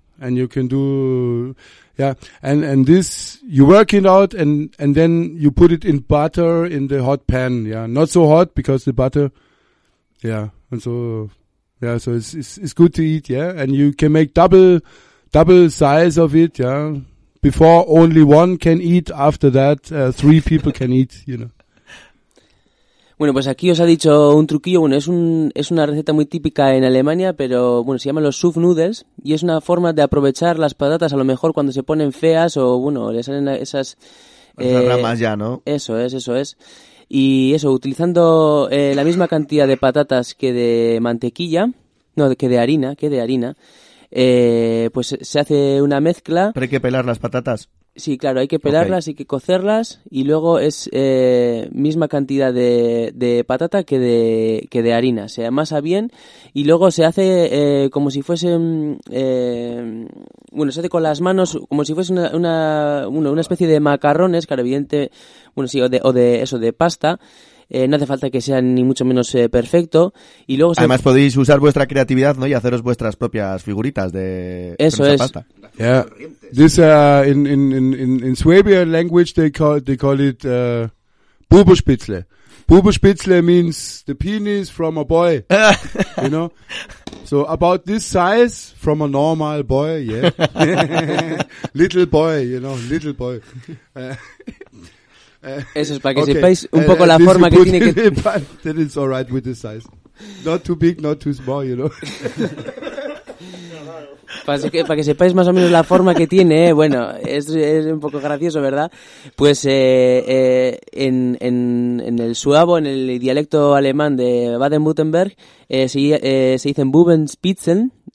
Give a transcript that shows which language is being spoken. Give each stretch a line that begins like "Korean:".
English: And you can do, yeah. And this, you work it out and then you put it in butter in the hot pan. Yeah. Not so hot because the butter. Yeah. And so, yeah. So it's good to eat. Yeah. And you can make double size of it. Yeah. Before only one can eat. After that, three people can eat, you know.
Spanish: Bueno, pues aquí os ha dicho un truquillo. Bueno, es una receta muy típica en Alemania, pero bueno, se llama los Schupfnudels y es una forma de aprovechar las patatas a lo mejor cuando se ponen feas o bueno, le salen esas ramas ya, ¿no? Eso es. Y eso, utilizando la misma cantidad de patatas que de mantequilla, no, que de harina, pues se hace una mezcla. Pero hay que pelar las patatas. Sí, claro, hay que pelarlas, okay. Hay que cocerlas y luego es misma cantidad de patata que de harina. Se amasa bien y luego se hace como si fuese, bueno, se hace con las manos como si fuese una especie de macarrones, claro, evidente, bueno, sí, o de pasta. No hace falta que sea ni mucho menos perfecto y luego además podéis usar vuestra creatividad, ¿no? Y haceros vuestras propias figuritas de eso es pasta.
English: Yeah, this in Swabian language they call it Bubespitzle. Bubespitzle means the penis from a boy, you know. So about this size from a normal boy, yeah, little boy, you know, little boy.
Spanish: Eso es para que sepáis un poco la forma que tiene que
English: then it's all right with the size. Not too big, not too small, you know.
Spanish: para que sepáis más o menos la forma que tiene, bueno, es un poco gracioso, ¿verdad? Pues en el suabo, en el dialecto alemán de Baden-Württemberg, se dicen Bubenspitzen.